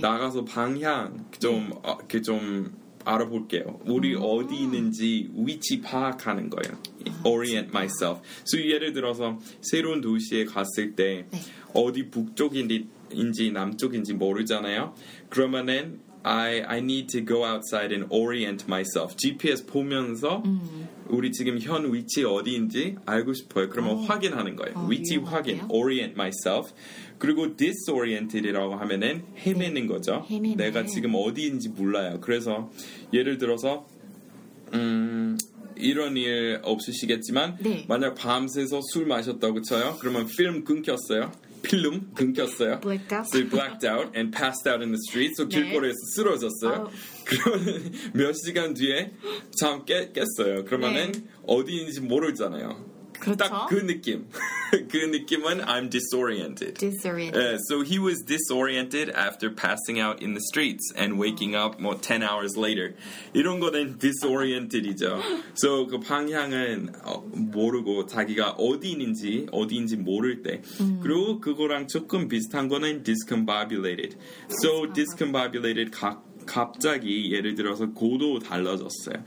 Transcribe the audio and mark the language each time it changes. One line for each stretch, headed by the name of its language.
Korean: 나가서 방향 좀 알아볼게요 우리 어디 있는지 위치 파악하는 거예요 orient myself so 예를 들어서 새로운 도시에 갔을 때 네. 어디 북쪽인지 남쪽인지 모르잖아요.
English: 그러면은 I need to go outside and orient myself.
Korean: GPS 보면서 우리 지금 현 위치 어디인지 알고 싶어요. 그러면 확인하는 거예요. 위치 확인, 같아요? orient myself. 그리고 disoriented이라고 하면은 헤매는 네. 거죠. 헤매네. 내가 지금 어디인지 몰라요. 그래서 예를 들어서 이런 일 없으시겠지만 네. 만약 밤새서 술 마셨다고 쳐요. 그러면 필름 끊겼어요. 필름 끊겼어요.
English: Blacked out. So blacked out and passed out in the street.
Korean: So 길거리에서 네. 쓰러졌어요. 그러면 몇 시간 뒤에 잠 깼어요. 그러면은 네. 어디인지 모르잖아요. 그렇죠? 딱 그 느낌. 그 느낌은
English: I'm disoriented. Disoriented. Yeah, so he was disoriented after passing out in the streets and waking up more 10 hours later.
Korean: 이런 거는 disoriented이죠. So 그 방향은 모르고 자기가 어디인지 모를 때. 그리고 그거랑 조금 비슷한 거는 discombobulated. So discombobulated 갑자기 예를 들어서 고도 달라졌어요.